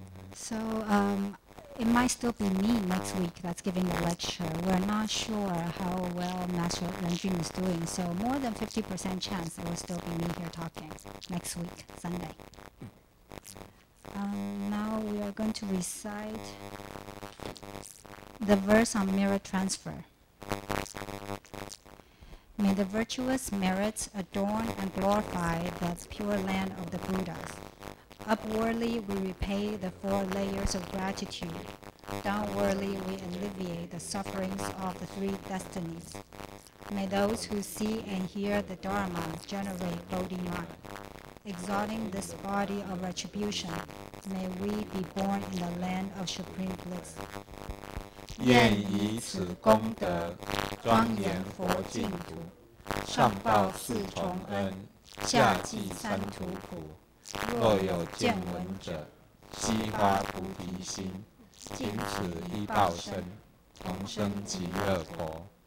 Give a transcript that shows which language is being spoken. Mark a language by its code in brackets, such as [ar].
[zh] 外。 [en] So, It might still be me next week that's giving the lecture. We're not sure how well Master Renjun is doing, so more than 50% chance it will still be me here talking next week, Sunday. Now we are going to recite the verse on merit transfer. May the virtuous merits adorn and glorify the pure land of the Buddhas. Upwardly, we repay the four layers of gratitude. Downwardly, we alleviate the sufferings of the three destinies. May those who see and hear the Dharma generate Bodhi mind. Exalting this body of retribution, may we be born in the land of supreme bliss. [zh] 愿以此功德庄严佛净土，上报四重恩，下济三途苦。若有见闻者，悉发菩提心，尽此一报身，同生极乐国。